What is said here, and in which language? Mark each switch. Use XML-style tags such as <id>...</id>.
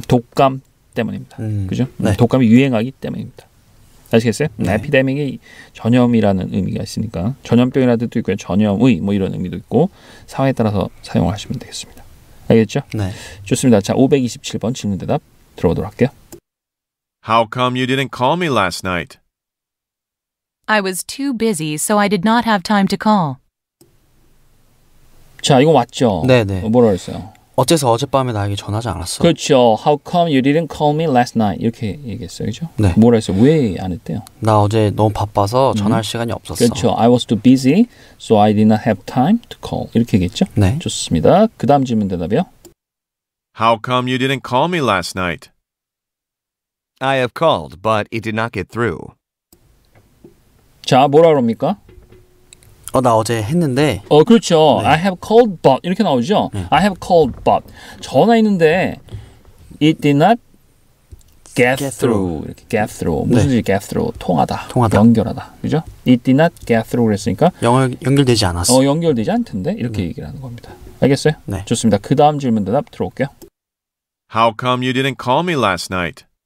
<ko>독감 때문입니다. 그죠? 네. 독감이 유행하기 때문입니다. 아시겠어요? 네. epidemic이 전염이라는 의미가 있으니까 전염병이라는 뜻도 있고요. 전염의 뭐 이런 의미도 있고 상황에 따라서 사용하시면 되겠습니다. 알겠죠? 네. 좋습니다. 자, 527번 질문 대답 들어보도록 할게요.</ko> <en>How come you didn't call me last night? I was too busy, so I did not have time to call.</en> <ko>자, 이거 맞죠? 네, 네. 뭐라 그랬어요? 어째서 어젯밤에 나에게 전화하지 않았어? 그렇죠.</ko> <en>How come you didn't call me last night?</en> <ko>이렇게 얘기했어요, 그렇죠? 네. 뭐라 했어요? 왜 안 했대요? 나 어제 너무 바빠서 전화할 시간이 없었어. 그렇죠.</ko> <en>I was too busy, so I did not have time to call.</en> <ko>이렇게 얘기했죠? 네. 좋습니다. 그 다음 질문 대답이요.</ko> <en>How come you didn't call me last night? I have called, but it did not get through.</en> <ko>자, 뭐라 그럽니까? 나 어제 했는데. 그렇죠. 네.</ko> <en>I have called but</en> <ko>이렇게 나오죠. 네.</ko> <en>I have called but</en> <ko>전화했는데</ko> <en>it did not get through.</en> <ko>이렇게</ko> <en>get through.</en> <ko>무슨 뜻이</ko> <en>get through?</en> <ko>통하다. 통하다. 연결하다. 그죠?</ko> <en>It did not get through</en> <ko>그랬으니까 영어 연결되지 않았어. 연결되지 않던데. 이렇게 얘기를 하는 겁니다. 알겠어요? 네. 좋습니다. 그다음 질문 대답 들어올게요.</ko> <en>How come you didn't call me last night?</en>